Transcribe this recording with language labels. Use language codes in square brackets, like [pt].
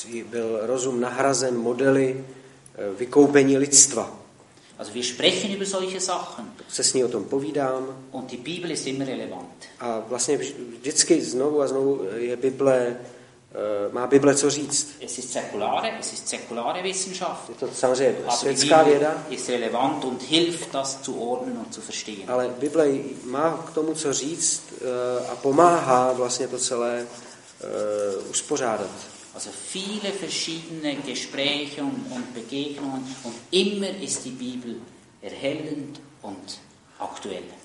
[cs] Byl rozum nahrazen modely vykoupení lidstva. [de] Also wir sprechen über solche Sachen. [cs] Se s ní o tom povídám. [de] Und die Bibel ist immer relevant. [cs] A vlastně vždycky znovu a znovu je Bible, má Bible co říct. [de] Es ist säkulare, es ist säkulare Wissenschaft. [cs] Je to samozřejmě světská věda. [de] Ist relevant und hilft das zu ordnen und zu verstehen. [cs] Ale Bible má k tomu co říct a pomáhá vlastně to celé uspořádat. [de] Also viele verschiedene Gespräche und Begegnungen, und immer ist die Bibel erhellend und aktuell.